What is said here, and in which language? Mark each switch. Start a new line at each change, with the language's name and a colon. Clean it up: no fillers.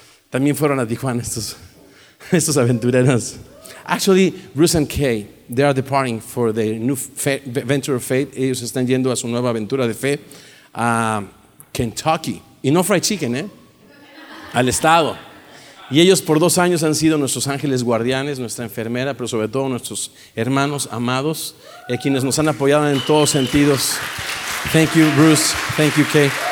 Spanish: También fueron a Tijuana estos aventureros.
English: Actually, Bruce and Kay. They are departing for their new venture of faith.
Spanish: Ellos están yendo a su nueva aventura de fe a Kentucky. Y no
English: fried chicken,
Spanish: ¿eh? Al estado. Y ellos por 2 años han sido nuestros ángeles guardianes, nuestra enfermera, pero sobre todo nuestros hermanos amados, quienes nos han apoyado en todos sentidos.
English: Thank you, Bruce. Thank you, Kay.